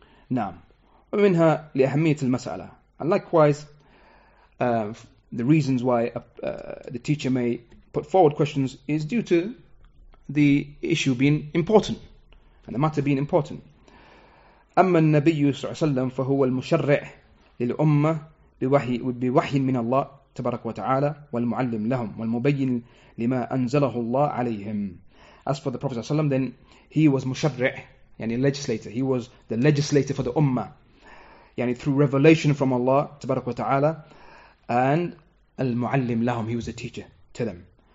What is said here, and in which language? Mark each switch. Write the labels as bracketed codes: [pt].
[ar] نعم. ومنها لأهمية المسألة. [en] And likewise, the reasons why the teacher may put forward questions is due to the issue being important and the matter being important. [ar] أما النبي صلى الله عليه وسلم فهو المشرع للأمة بوحي من الله تبارك وتعالى والمعلم لهم والمبين لما أنزله الله عليهم. [en] As for the Prophet ﷺ, then he was mushadri', yani legislator. He was the legislator for the ummah, yani through revelation from Allah, tabarak wa ta'ala, and [ar] al-mu'allim lahum, [en] he was a teacher to them.